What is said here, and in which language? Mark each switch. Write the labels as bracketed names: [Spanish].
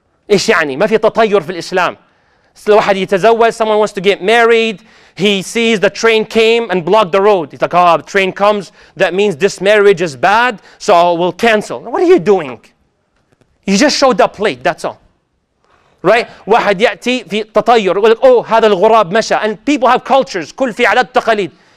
[Arabic] إيش يعني؟ ما في تطير في الإسلام. الواحد يتزوج, [English] someone wants to get married, he sees the train came and blocked the road. He's like, oh, the train comes, that means this marriage is bad, so we'll cancel. What are you doing? You just showed up late, that's all. Right? [Arabic] واحد يأتي في تطير, يقول لك, oh, هذا الغراب مشى. [English] And people have cultures, [Arabic] كل في عادات تقاليد.